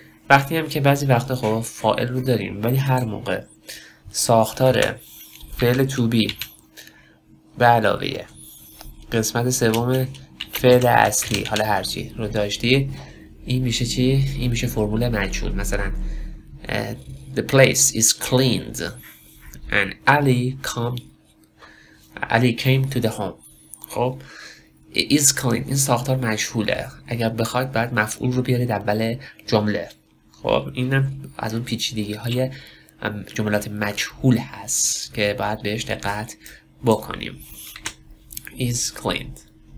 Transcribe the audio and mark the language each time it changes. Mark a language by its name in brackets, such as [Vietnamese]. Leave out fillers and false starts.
[Persian] وقتی هم که بعضی وقتا خب فاعل رو داریم، ولی هر موقع ساختار فعل to be به علاوه قسمت سوم فعل اصلی، حالا هرچی رو داشتی، این میشه چی؟ این میشه فرمول مجهول. [English] مثلا the place is cleaned and Ali came to the home. [Persian] خب is clean، این ساختار مجهوله. اگر بخواید بعد مفعول رو بیارید اول جمله. خب اینم از اون پیچیدگی های جملات مجهول هست که باید بهش دقت بکنیم. [English] is cleaned.